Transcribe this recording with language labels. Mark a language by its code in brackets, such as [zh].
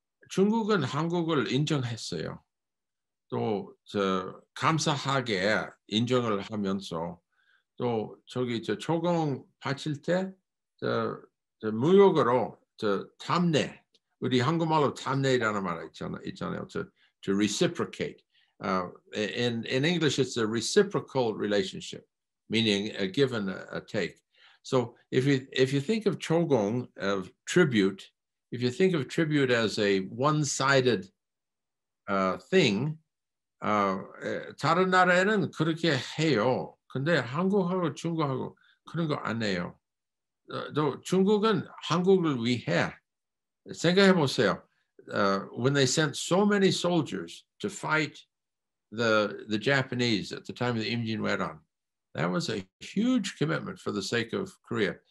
[ko] 중국은 한국을 인정했어요. 또 감사하게 인정을 하면서 또 저기 초공 바칠 때저 무역으로 저 탐내 우리 한국말로 탐내라는 말 있잖아요. [en] To reciprocate. In English it's a reciprocal relationship, meaning a give and a take. So if you think of 초공 of tribute, if you think of tribute as a one-sided thing. [ko] 다른 나라에는 그렇게 해요. 근데 한국하고 중국하고 그런 거안 해요. 또 중국은 한국을 위해 생각해 보세요. [en] When they sent so many soldiers to fight the Japanese at the time of the Imjin Weran, that was a huge commitment for the sake of Korea.